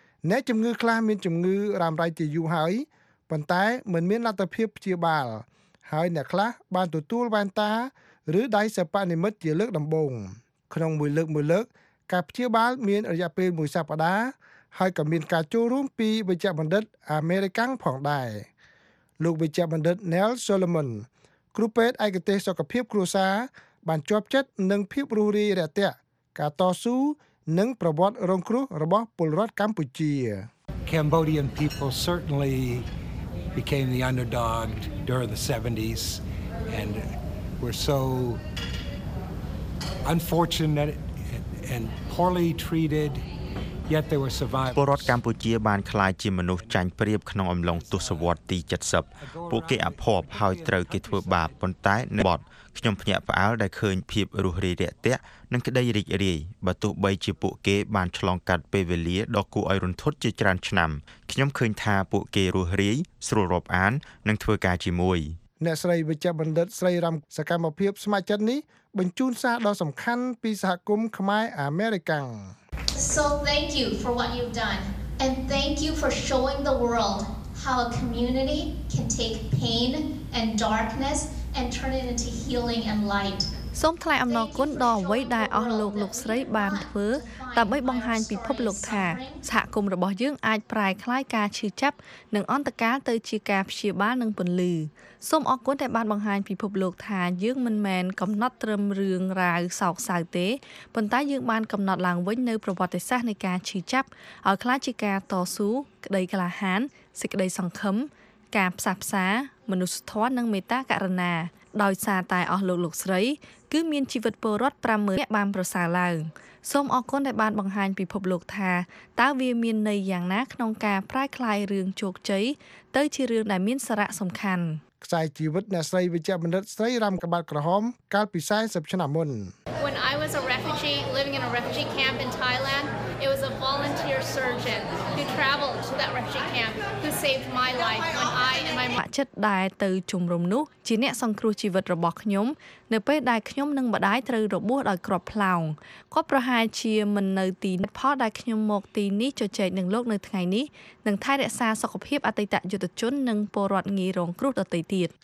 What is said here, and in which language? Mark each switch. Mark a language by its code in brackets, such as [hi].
[km] អ្នកជំងឺខ្លះមានជំងឺរ៉ាំរ៉ៃជាយូរហើយប៉ុន្តែមិនមានលទ្ធភាពព្យាបាលហើយអ្នកខ្លះបានទទួលវ៉ែនតាឬដៃសិប្បនិម្មិតជាលើកដំបូងក្នុងមួយលើកមួយលើកការព្យាបាលមានរយៈពេលមួយសប្តាហ៍ហើយក៏មានការចូលរួមពីវេជ្ជបណ្ឌិតអាមេរិកាំងផងដែ រលោកវេជ្ជបណ្ឌិត Neil Solomon គ្រូពេទ្យឯកទេសសុខភាពគ្រួសារបានជាប់ចិត្តនឹងភាពរស់រាយរាក់ទាក់ការតស៊ូនិងប្រវត្តិរងគ្រោះរបស់ពលរដ្ឋកម្ពុជា [en] Cambodian people certainly became the underdog during the 70s andWe're so unfortunate and poorly treated, yet they were survivors. [km] ពលរដ្ឋកម្ពុជាបានក្លាយជាមនុស្សចាញ់ប្រៀបក្នុងអំឡុងទសវត្សរ៍ទី70ពួកគេអភ័ព្វហើយត្រូវគេធ្វើបាបប៉ុន្តែនៅបត់ខ្ញុំភ្ញាក់ផ្អើលដែលឃើញភាពរស់រាយរាក់ទាក់និងក្តីរីករាយបើទោះបីជាពួកគេបានឆ្លងកាត់ពេលវេលាដ៏គួរឲ្យរន្ធត់ជាច្រើនឆ្នាំខ្ញុំឃើញថាពួកគេរស់រាយស្រួលរាប់អាននិងធ្វើការជាមួយ អ្នកស្រីវិជ្ជាបណ្ឌិតស្រីរំសកម្មភាពស្ម័គ្រចិត្តនេះបញ្ជូនសារដ៏សំខាន់ពីសហគមន៍ខ្មែរអាមេរិកាំង [en] So thank you for what you've done and thank you for showing the world how a community can take pain and darkness and turn it into healing and light [km] សូមថ្លែងអំណរគុណដល់អ្វីដែលអស់លោកលោកស្រីបានធ្វើដើម្បីបង្ហាញពិភពលោកថាសហគមន៍របស់យើងអាចប្រែក្លាយការឈឺចាប់និងអន្តរការទៅជាការព្យាបាលនិងពន្លឺសូមអរគុណដែលបានបង្ហាញពិភពលោកថាយើងមិនមែនកំណត់ត្រឹមរឿងរ៉ាវសោកសៅទេប៉ុន្តែយើងបានកំណត់ឡើងវិញនៅប្រវត្តិសាស្ត្រនៃការឈឺចាប់ឲ្យក្លាយជាការតស៊ូក្តីក្លាហានសេចក្តីសង្ឃឹម ការផ្សះផ្សាមនុស្សធម៌និងមេត្តាករុណាដោយសារតែអស់លោកលោកស្រីគឺមានជីវិតពលរដ្ឋ50000អ្នកបានប្រសើរឡើងសូមអរគុណដែលបានបង្ហាញពិភពលោកថាតើវាមានន័យយ៉ាងណាក្នុងការប្រែក្លាយរឿងជោគជ័យទៅជារឿងដែលមានសារៈសំខាន់ខ្សែជីវិតអ្នកស្រីវិជ្ជាបណ្ឌិតស្រីរំកបាត់ក្រហមកាលពី40ឆ្នាំមុន [en] When I was a refugee living in a refugee camp in Thailand it was a volunteer surgeon who traveled to that refugee camp who saved my life when I and my [km] ចិត្តដែលទៅជំរំនោះជាអ្នកសង្គ្រោះជីវិតរបស់ខ្ញុំនៅពេលដែលខ្ញុំនឹងម្ដាយត្រូវរបួសដោយគ្រាប់ផ្លោងគាត់ប្រហែលជាមិននៅទីនេះផលដែលខ្ញុំមកទីនេះជជែកនឹងលោកនៅថ្ងៃនេះនឹងថែរក្សាសុខភាពអតីតយុទ្ធជននិងពលរដ្ឋងាយរងគ្រោះដទៃទៀត